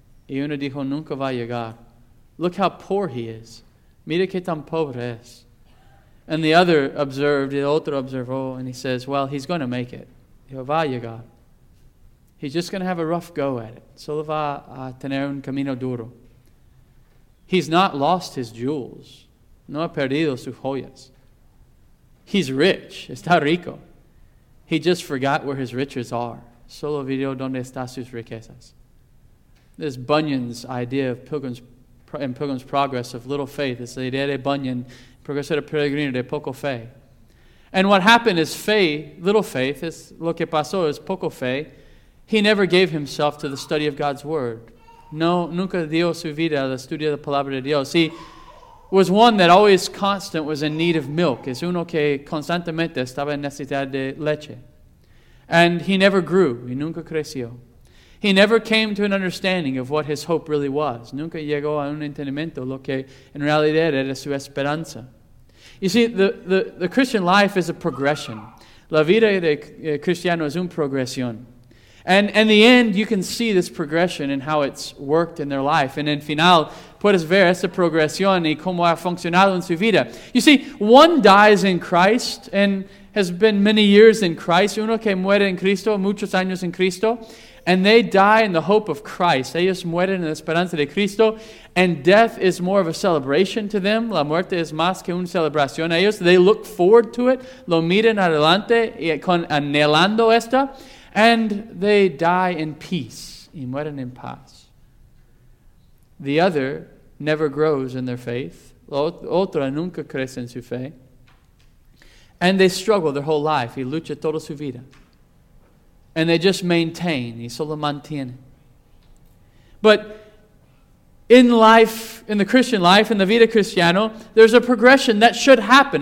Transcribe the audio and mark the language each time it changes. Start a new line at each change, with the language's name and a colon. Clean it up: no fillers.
Spanish: Y uno dijo, nunca va a llegar.
English: Look how poor he is.
Spanish: Mira que tan pobre es.
English: And the other observed,
Spanish: el otro observó,
English: and he says, well, he's going to make it.
Spanish: Dijo, va a llegar.
English: He's just going to have a rough go at it.
Spanish: Solo va a tener un camino duro.
English: He's not lost his jewels.
Spanish: No ha perdido sus joyas.
English: He's rich.
Spanish: Está rico.
English: He just forgot where his riches are.
Spanish: Solo olvidó dónde están sus riquezas.
English: This Bunyan's idea of Pilgrim's Progress of little faith is the idea
Spanish: de Bunyan, Progreso de Peregrino, de poco fe.
English: And what happened is little faith,
Spanish: es lo que pasó, es poco fe.
English: He never gave himself to the study of God's word.
Spanish: No, nunca dio su vida al estudio de la palabra de Dios.
English: He was one that always constant was in need of milk.
Spanish: Es uno que constantemente estaba en necesidad de leche.
English: And he never grew.
Spanish: Y nunca creció.
English: He never came to an understanding of what his hope really was.
Spanish: Nunca llegó a un entendimiento lo que en realidad era su esperanza.
English: You see, the Christian life is a progression.
Spanish: La vida de cristiano es un progresión.
English: And in the end, you can see this progression and how it's worked in their life. And in final,
Spanish: puedes ver esa progresión y cómo ha funcionado en su vida.
English: You see, one dies in Christ and has been many years in Christ.
Spanish: Uno que muere en Cristo, muchos años en Cristo.
English: And they die in the hope of Christ.
Spanish: Ellos mueren en la esperanza de Cristo.
English: And death is more of a celebration to them.
Spanish: La muerte es más que una celebración a ellos.
English: They look forward to it.
Spanish: Lo miran adelante y con anhelando esta.
English: And they die in peace.
Spanish: Y mueren en paz.
English: The other never grows in their faith.
Spanish: La otra nunca crece en su fe.
English: And they struggle their whole life.
Spanish: Y lucha toda su vida.
English: And they just maintain.
Spanish: Y solo mantienen.
English: But in life, in the Christian life, in the
Spanish: vida cristiano,
English: there's a progression that should happen.